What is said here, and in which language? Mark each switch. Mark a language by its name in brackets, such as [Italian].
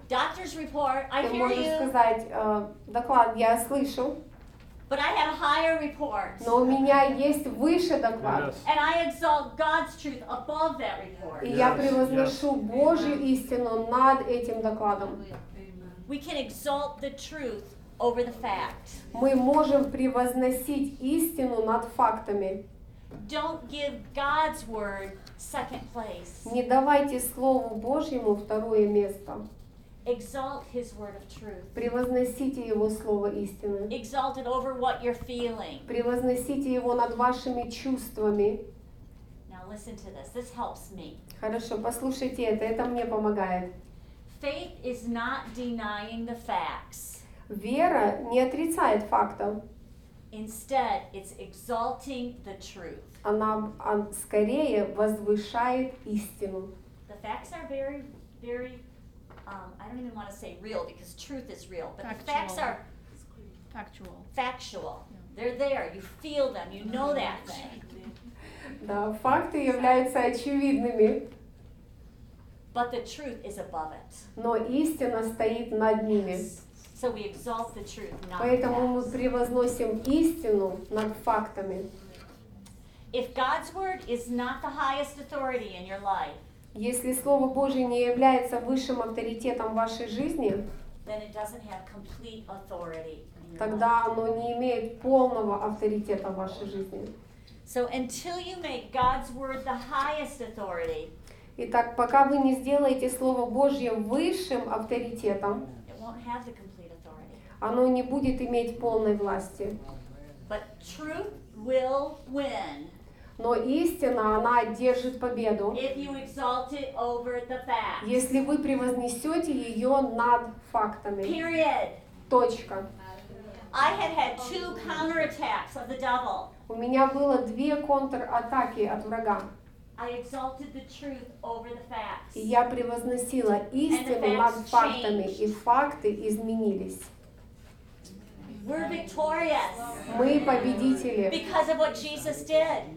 [English] doctor's report, I hear you. [Russian] Ты можешь сказать, доклад, я слышу. [English] But I have a higher report. Но у меня есть выше доклад. Yes. And I exalt God's truth above that report. [Russian] И я превозношу Божью истину над этим докладом. [English] We can exalt the truth over the fact. [Russian] Мы можем превозносить истину над фактами. [English] Don't give God's word second place. [Russian] Не давайте Слову Божьему второе место. [English] Exalt his word of truth. [Russian] Превозносите его слово истины. [English] Exalt it over what you're feeling. [Russian] Превозносите его над вашими чувствами. [English] Now listen to this. This helps me. [Russian] Хорошо, послушайте это. Это мне помогает. [English] Faith is not denying the facts. [Russian] Вера не отрицает фактов. [English] Instead, it's exalting the truth. [Russian] Она скорее возвышает истину. [English] The facts are very, very, I don't even want to say real, because truth is real, but factual. The facts are factual. Factual. Yeah. They're there. You feel them. You know that thing. [Russian] Да, факты являются очевидными. [English] But the truth is above it. [Russian] Но истина стоит над ними. [English] So we exalt the truth, not [Russian] Поэтому [English] facts. [Russian] Мы превозносим истину над фактами. [English] If God's word is not the highest authority in your life, [Russian] если Слово Божие не является высшим авторитетом в вашей жизни, [English] then it doesn't have complete authority in your [Russian] тогда [English] life. [Russian] Оно не имеет полного авторитета в вашей жизни. [English] So until you make God's word the highest authority, [Russian] итак, пока вы не сделаете Слово Божье высшим авторитетом, [English] it won't have the complete authority. [Russian] Оно не будет иметь полной власти. [English] But truth will win. [Russian] Но истина, она одержит победу, [English] if you exalt it over the facts. [Russian] Если вы превознесете ее над фактами. [English] Period. [Russian] Точка. [English] I have had two counterattacks of the devil. [Russian] У меня было две контратаки от врага. [English] I exalted the truth over the facts. [Russian] И я превозносила истину над фактами, [English] changed. [Russian] И факты изменились. [English] We're victorious. [Russian] Мы победители. [English] Because of what Jesus did.